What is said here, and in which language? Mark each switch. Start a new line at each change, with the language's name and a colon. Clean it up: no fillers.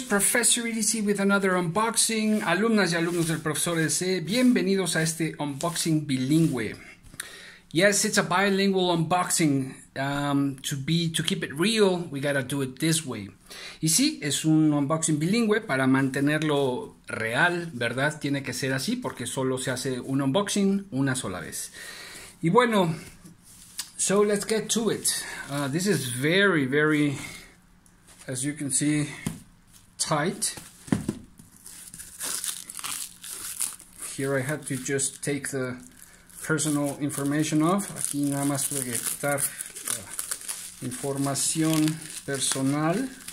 English: Professor EDC with another unboxing.
Spanish: Alumnas y alumnos del Profesor EDC, bienvenidos a este unboxing bilingüe.
English: Yes, it's a bilingual unboxing. To keep it real, we gotta do it this way.
Spanish: Y sí, es un unboxing bilingüe para mantenerlo real, ¿verdad? Tiene que ser así porque solo se hace un unboxing una sola vez. Y bueno,
English: so let's get to it. This is very, very... As you can see, tight. Here I had to just take the personal information off.
Spanish: Aquí nada más tuve que quitar información personal.